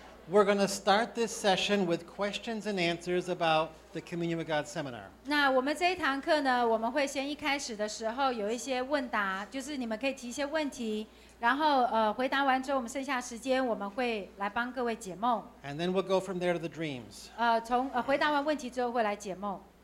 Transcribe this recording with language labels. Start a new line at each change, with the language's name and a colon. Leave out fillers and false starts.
English: We're going to start this session with questions and answers about the Communion with God seminar.
Chinese: 那我们这一堂课呢，我们会先一开始的时候有一些问答，就是你们可以提一些问题，然后回答完之后，我们剩下时间我们会来帮各位解梦。
English: And then we'll go from there to the dreams.
Chinese: 回答完问题之后会来解梦。